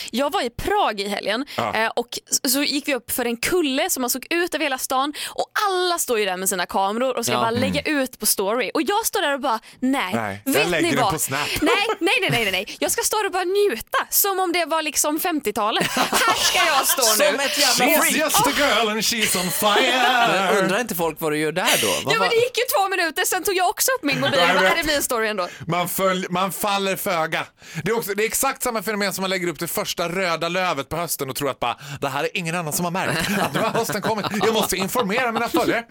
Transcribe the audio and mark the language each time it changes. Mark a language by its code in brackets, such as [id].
[sv] Jag var i Prag i helgen och så gick vi upp för en kulle som man såg ut över hela stan och alla står ju där med sina kameror och ska bara lägga ut på story. och jag står där och bara nej, vet ni vad? Nej. Jag ska stå där och bara njuta som om det var liksom 50-talet. Här ska jag stå nu. Som ett jävla freak. [en] She's just a girl and she's on fire. [sv] Undrar inte folk vad du gör där då? Jo, men det gick ju 2 minuter, sen tog jag också upp min mobil. Vad är det min story ändå? Man faller föga. Det är exakt samma fenomen som man lägger upp det första röda lövet på hösten och tror att bara det här är ingen annan som har märkt att nu har hösten kommit. Jag måste informera mina följare.